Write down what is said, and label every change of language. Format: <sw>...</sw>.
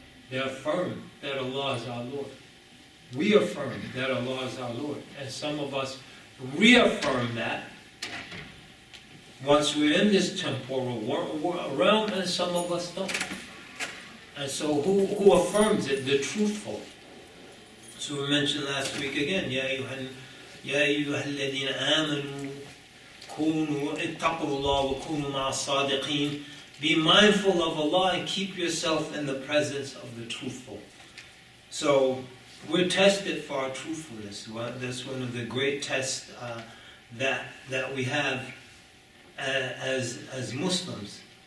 <en>They affirm that Allah is our Lord. We affirm that Allah is our Lord. And some of us reaffirm that once we're in this temporal realm, and some of us don't. And so who affirms it? The truthful. So we mentioned last week again,</en> <ar>يا أيها الذين آمنوا كونوا اتقوا الله وكونوا مع الصادقين.</ar> <en>Be mindful of Allah and keep yourself in the presence of the truthful. So we're tested for our truthfulness. Well, that's one of the great tests that we have as Muslims.</en>